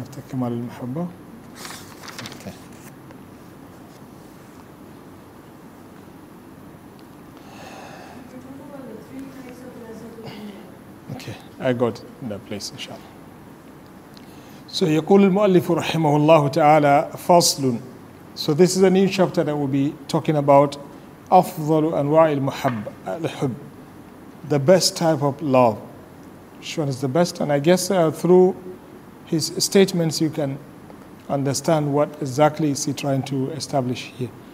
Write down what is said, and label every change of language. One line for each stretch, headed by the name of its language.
English: Kamal al-Muhabba. Okay. Okay, I got that place, inshallah.
Arabic: So, يقول المؤلف رحمه الله تعالى فصل.
English: So, this is a new chapter that will be talking about
Arabic: أفضل أنواع المحب, الحب,
English: the best type of love. Which one is the best? And I guess through his statements, you can understand what exactly is he trying to establish here.